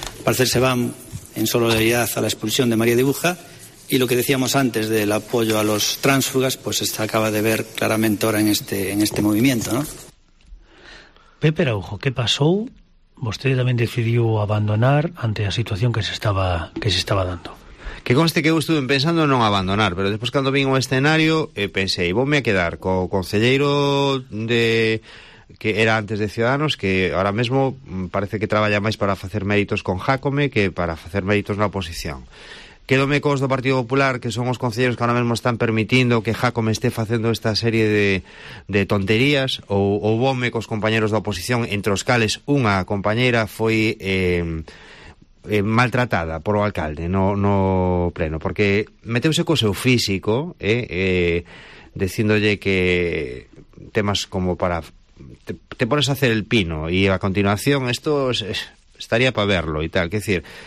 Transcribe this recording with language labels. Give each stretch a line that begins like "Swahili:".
Spanish: Parece que se van en solidaridad a la expulsión de María Dibuja, y lo que decíamos antes del apoyo a los tránsfugas, pues se acaba de ver claramente ahora en este movimiento, ¿no? Pepe Araujo, ¿qué pasó?
Galician: Vostede tamén decidiu abandonar ante a situación que se estaba dando. Que conste que eu estuve pensando en non abandonar, pero despois cando vin o escenario, pensei, voume a quedar co concelleiro de que era antes de Ciudadanos, que ahora mesmo parece que traballa máis para facer méritos con Jácome que para facer méritos na oposición. Quédome cos do Partido Popular, que son os concelleiros que ahora mesmo están permitindo que Jácome este facendo esta serie de tonterías, ou vome cos compañeros da oposición, entre os cales unha compañeira foi maltratada por o alcalde no pleno, porque meteuse co seu físico, dicindolle que temas como para...
Spanish: Te pones a hacer el pino,
Galician: e a continuación isto estaría
Spanish: para verlo e tal, que decir...